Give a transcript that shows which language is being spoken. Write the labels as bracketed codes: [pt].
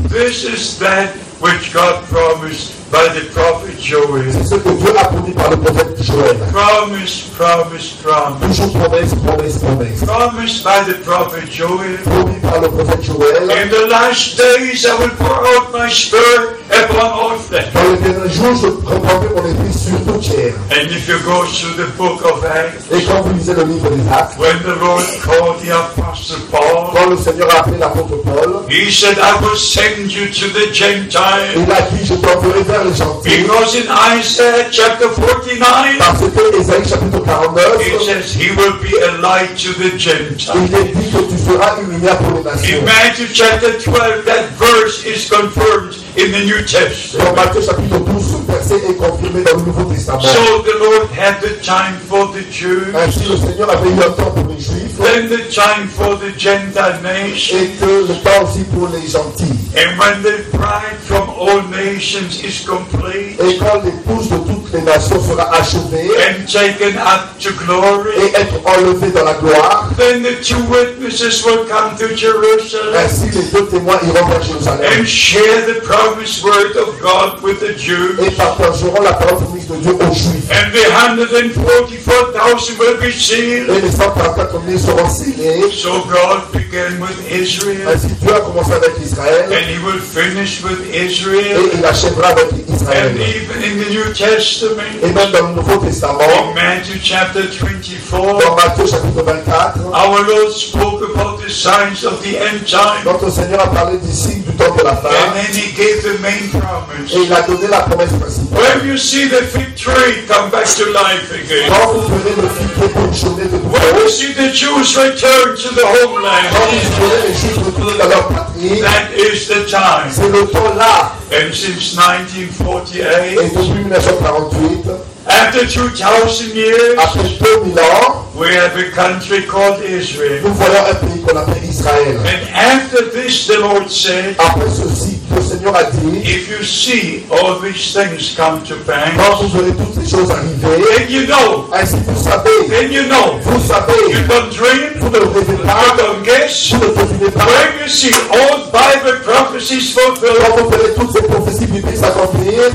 [en] This is that which God promised by the prophet Joel. [fr] C'est ce que Dieu a promis par le prophète Joël. [en] Promise, promise, promise. [fr] Toujours promise, promise, promise. [en] Promised by the prophet Joel. [fr] Promis par le prophète Joël. [en] In the last days I will pour out my spirit upon all flesh. [fr] Dans les derniers jours, je reprendrai mon esprit sur toute chair. [en] And if you go to the book of Acts. [fr] Et quand vous lisez le livre des Actes. [en] When the Lord called the apostle Paul. [fr] Quand le Seigneur a appelé l'apôtre Paul. [en] He said, I will send you to the Gentiles. [fr] Il a dit, je t'enverrai vers les gentils. [en] Because in Isaiah chapter 49, [fr] parce que Isaïe chapitre 49, [en] it says he will be a light to the Gentiles. [fr] Il est dit que tu feras une lumière pour les nations. [en] In Matthew chapter 12, that verse is confirmed in the New Testament. [fr] Dans Matthieu chapitre 12, ce verset est confirmé dans le Nouveau Testament. [en] So the Lord had the time for the Jews. [fr] Ainsi le Seigneur avait eu un temps pour les Juifs. [en] Then the time for the Gentile nations. [fr] Et que le temps aussi pour les gentils. [en] And when the bride from all nations is complete. [fr] Et quand l'épouse de toutes les nations sera achevée. [en] And taken up to glory. [fr] Et être enlevée dans la gloire. [en] Then the two witnesses will come to Jerusalem. [fr] Ainsi les deux témoins iront vers Jérusalem. [en] And share the promised word of God with the Jews. [fr] Et partageront la parole promise de Dieu aux Juifs. [en] And the 144,000 will be sealed. [fr] Et les 144,000 seront scellés. [en] So God began with Israel. [fr] Ainsi Dieu a commencé avec Israël. [en] And he will finish with Israel. [fr] Et il achèvera avec Israël. [en] And even in the New Testament. [fr] Et même dans le Nouveau Testament. [en] In Matthew chapter 24. [fr] Dans Matthieu chapitre 24. [en] Our Lord spoke about the signs of the end time. [fr] Notre Seigneur a parlé des signes du temps de la fin. [en] And then he gave the main promise. [fr] Et il a donné la promesse principale. [en] When you see the fig tree come back to life again. [fr] Quand vous verrez le [en] fig tree [fr] bourgeonner de nouveau. [en] When you see the Jews return to the homeland. [fr] Quand vous verrez les Juifs retourner dans leur patrie. [en] That is the time. [fr] C'est le temps là. [en] And since 1948. [fr] Et depuis 1948. [en] After 2,000 years, [fr] après 2000 ans, [en] we have a country called Israel. [fr] Nous voyons un pays qu'on appelle Israël. [en] And after this, the Lord said, [fr] après ceci, le Seigneur a dit, [en] if you see all these things come to pass, [fr] quand vous verrez toutes ces choses arriver, [en] then you know, [fr] ainsi vous savez, [en] then you know, [fr] vous savez, [en] you don't dream, [fr] vous ne rêvez pas, [en] you don't guess, [fr] vous ne devinez pas, [en] when you see all Bible prophecies fulfilled, [fr] quand vous verrez toutes ces prophéties bibliques s'accomplir,